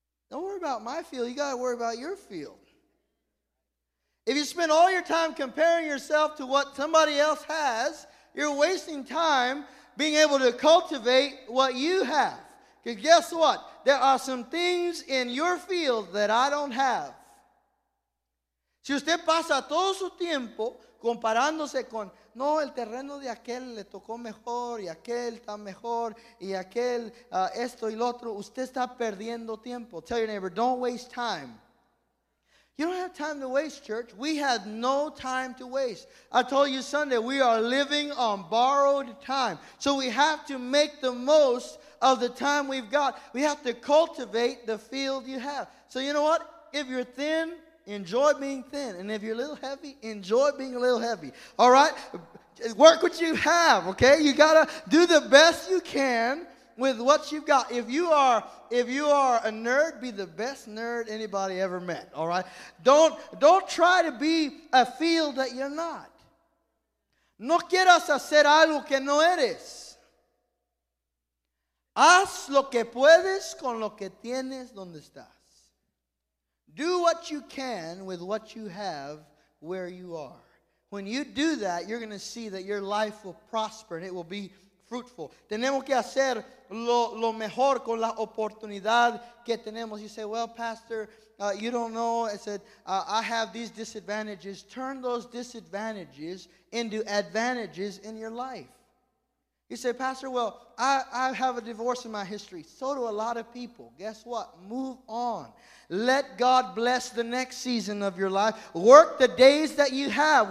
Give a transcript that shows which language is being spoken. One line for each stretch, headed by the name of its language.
English: Don't worry about my field. You got to worry about your field. If you spend all your time comparing yourself to what somebody else has, you're wasting time being able to cultivate what you have. Because guess what? There are some things in your field that I don't have.
Spanish: Si usted pasa todo su tiempo comparándose con, no, el terreno de aquel le tocó mejor, y aquel está mejor, y aquel esto y lo otro, usted está perdiendo tiempo.
English: Tell your neighbor, don't waste time. You don't have time to waste, church. We have no time to waste. I told you Sunday, we are living on borrowed time. So we have to make the most of the time we've got. We have to cultivate the field you have. So you know what? If you're thin, enjoy being thin. And if you're a little heavy, enjoy being a little heavy. All right? Work what you have, okay? You got to do the best you can with what you've got. If you are a nerd, be the best nerd anybody ever met, all right? Don't try to be a field that you're not.
Spanish: No quieras hacer algo que no eres. Haz lo que puedes con lo que tienes donde estás.
English: Do what you can with what you have where you are. When you do that, you're going to see that your life will prosper and it will be fruitful.
Spanish: Tenemos que hacer lo mejor con la oportunidad que tenemos.
English: You say, well, Pastor, you don't know. I said, I have these disadvantages. Turn those disadvantages into advantages in your life. You say, Pastor, well, I have a divorce in my history. So do a lot of people. Guess what? Move on. Let God bless the next season of your life. Work the days that you have.